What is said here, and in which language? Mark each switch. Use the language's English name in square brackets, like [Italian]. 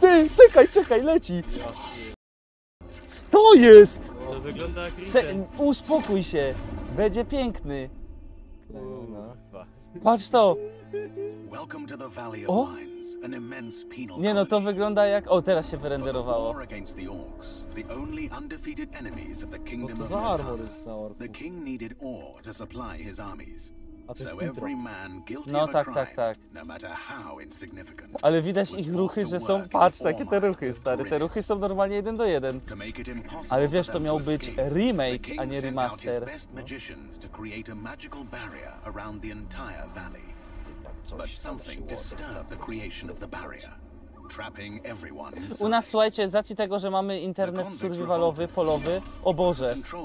[Polish] Ty, czekaj, leci. Co jest? To wygląda jak Nintendo. Uspokój się. Będzie piękny. No. Patrz to. [English] Welcome to the Valley of Mines, an immense penal. [Polish] Nie, no to wygląda jak. O, teraz się wyrenderowało. [English] The orcs, the only undefeated enemies of the kingdom of Arthur. The king needed ore to supply his armies. So every man guilty of a crime, no matter how insignificant. [Polish] Ale widać ich ruchy, że są. Patrz, takie te ruchy, stary. Te ruchy są normalnie 1:1. Ale wiesz, to miał być remake, a nie remaster. [English] To create a magical barrier around the entire valley. But something disturbed the creation of the barrier, trapping everyone inside. [Polish] U nas, słuchajcie, z racji tego, że mamy internet survivalowy, polowy, o Boże.